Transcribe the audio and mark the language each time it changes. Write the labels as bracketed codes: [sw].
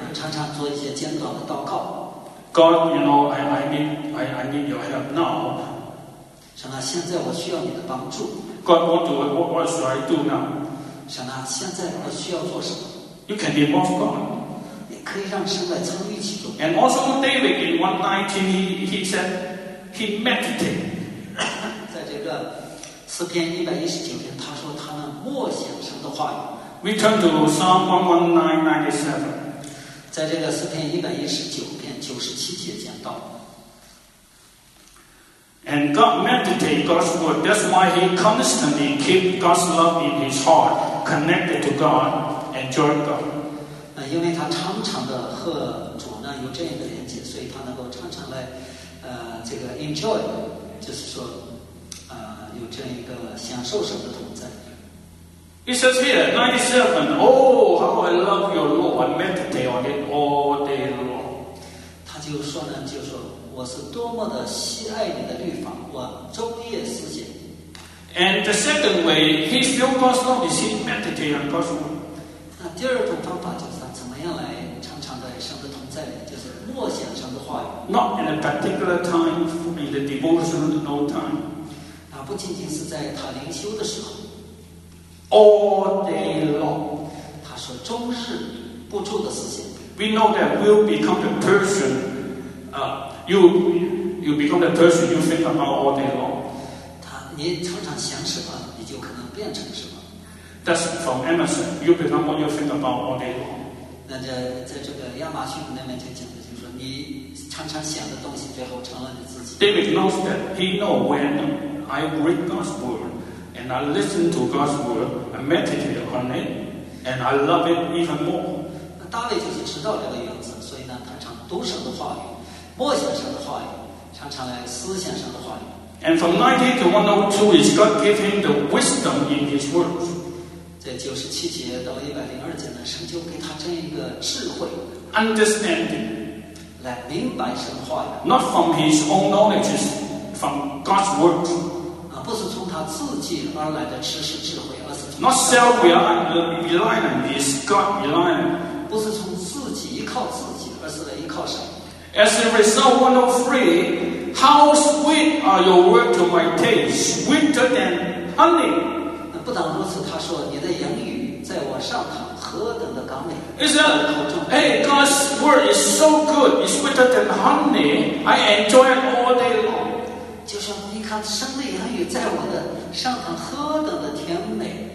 [zh] 常常做一些简短的祷告。 [en] God, you know, I need your help now. [zh] 神啊，现在我需要你的帮助。 [en] God, what should I do now? [zh] 神啊，现在我需要做什么？ [en] You can be more God. [zh] 可以让神来参与其中。 [en] And also David in 119, he said he meditated. [zh] 在这个诗篇119篇，他说他呢默想神的话语。 [en] We turn to Psalm 119:97. [zh] 在这个诗篇119篇97节讲到。 [en] And God meditates God's word. That's why he constantly keeps God's love in his heart, connected to God and join God. [zh] 因为他常常的和主呢有这样的连接，所以他能够常常来，这个 enjoy， 就是说，有这样一个享受神的同在。 [en] It says here 97. Oh, how I love your law! I meditate on it all day long. [zh] 他就说呢，就说我是多么的喜爱你的律法，我昼夜思想。 [en] And the second way, he feels God's love is he meditates on God's word. [zh] 那第二种方法就是。要来常常在神的同在里，就是默想神的话语。 [en] Not in a particular time for me, the devotion, no time. [zh] 那不仅仅是在他灵修的时候。 [en] All day long, [zh] 他说终日不住的思想。 [en] We know that you become the person, you become the person you think about all day long. [zh] 他你常常想什么，你就可能变成什么。 [en] That's from Amazon. You become what you think about all day long. [zh] 那在这个亚马逊那边就讲的，就是说你常常想的东西，最后成了你自己。 [en] David knows that he know when I read God's word and I listen to God's word, I meditate on it, and I love it even more. [zh] 大卫就是知道这个原则，所以呢，他常读神的话语，默想神的话语，常常来思想神的话语。 [en] And from 90 to 102, is God gave him the wisdom in His words. [zh] 在九十七节到一百零二节呢，神就给他这一个智慧 [en] ，understanding， [zh] 来明白神的话语。 [en] Not from his own knowledge, from God's word. [zh] 不是从他自己而来的知识智慧，而是从。 [en] Not self-reliant, is God-reliant. [zh] 不是从自己依靠自己，而是来依靠神。 [en] As a result, 103, how sweet are your words to my taste, sweeter than honey. [zh] 不但如此，他说：“你的言语在我上堂何等的甘美。” [en] Is that? Hey, God's word is so good. It's sweeter than honey. I enjoy it all day long. [zh] 就说你看，神的言语在我的上堂何等的甜美。